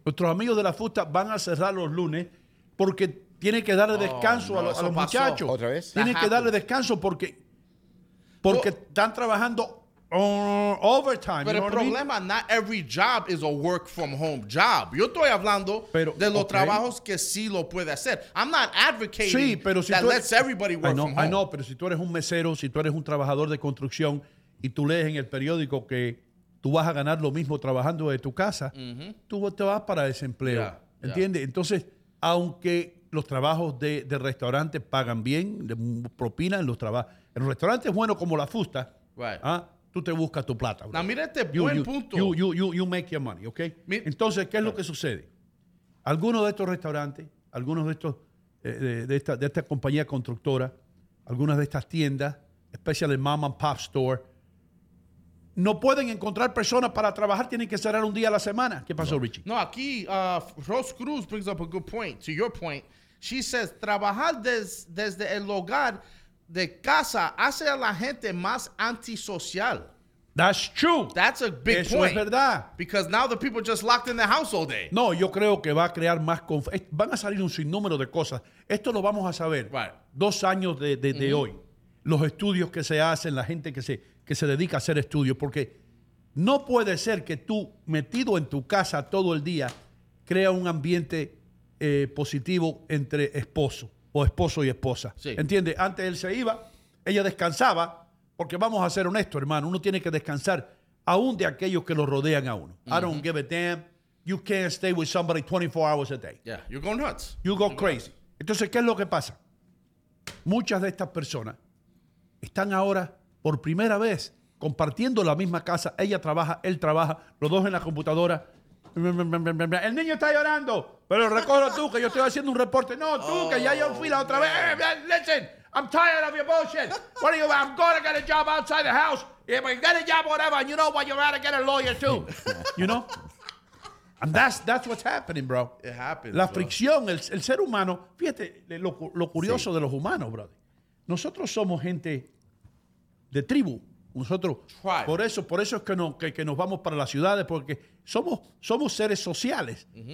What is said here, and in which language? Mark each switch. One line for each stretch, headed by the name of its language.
Spanish: Nuestros amigos de la Fusta van a cerrar los lunes porque tienen que darle descanso a los muchachos. ¿Otra vez? Tienen que darle descanso porque están trabajando overtime. Pero el problema,
English: not every job is a work from home job.
Spanish: Yo estoy hablando de los trabajos que sí lo puede hacer.
English: I'm not advocating that lets everybody work from home.
Spanish: I know, pero si tú eres un mesero, si tú eres un trabajador de construcción y tú lees en el periódico que tú vas a ganar lo mismo trabajando de tu casa, uh-huh. tú te vas para desempleo, yeah, ¿entiendes? Yeah. Entonces, aunque los trabajos de restaurante pagan bien, propina en los trabajos, en los restaurantes buenos como la Fusta,
English: right.
Spanish: ¿ah? Tú te buscas tu plata. Now, mira este punto.
English: You make your money,
Spanish: ¿ok? Entonces, ¿qué es lo que sucede? Algunos de estos restaurantes, algunos de estos de esta compañía constructora, algunas de estas tiendas, especialmente Mom and Pop Store, no pueden encontrar personas para trabajar, tienen que cerrar un día a la semana. ¿Qué pasó, no. Richie? No, aquí Rose Cruz
English: brings up a good point. To your point, she says,
Spanish: trabajar desde el hogar de casa hace a la gente más antisocial.
English: That's true. That's a big
Spanish: Eso
English: point.
Spanish: Eso es verdad.
English: Because now the people just locked in the house all day.
Spanish: No, yo creo que va a crear más confianza. Van a salir un sinnúmero de cosas. Esto lo vamos a saber. Right. Dos años de hoy. Los estudios que se hacen, la gente que se dedica a hacer estudios, porque no puede ser que tú, metido en tu casa todo el día, crea un ambiente positivo entre esposo o esposo y esposa. Sí. ¿Entiendes? Antes él se iba, ella descansaba, porque vamos a ser honestos, hermano, uno tiene que descansar aún de aquellos que lo rodean a uno.
English: Mm-hmm. I don't give a damn. You can't stay with somebody 24 hours a day. Yeah, you go nuts. You go crazy. Nuts.
Spanish: Entonces, ¿qué es lo que pasa? Muchas de estas personas están ahora por primera vez, compartiendo la misma casa. Ella trabaja, él trabaja, los dos en la computadora. El niño está llorando, pero recógelo tú, que yo estoy haciendo un reporte. No, tú, que ya yo fui la otra vez.
English: Listen, I'm tired of your bullshit. What are you, I'm going to get a job outside the house. If I get a job, whatever, you know what, you're going to get a lawyer too. You know? And that's what's happening, bro. It happens,
Spanish: la fricción, el ser humano, fíjate lo curioso sí. de los humanos, brother. Nosotros somos gente de tribu, nosotros,
English: tribe.
Spanish: por eso es que nos vamos para las ciudades, porque somos seres sociales, uh-huh.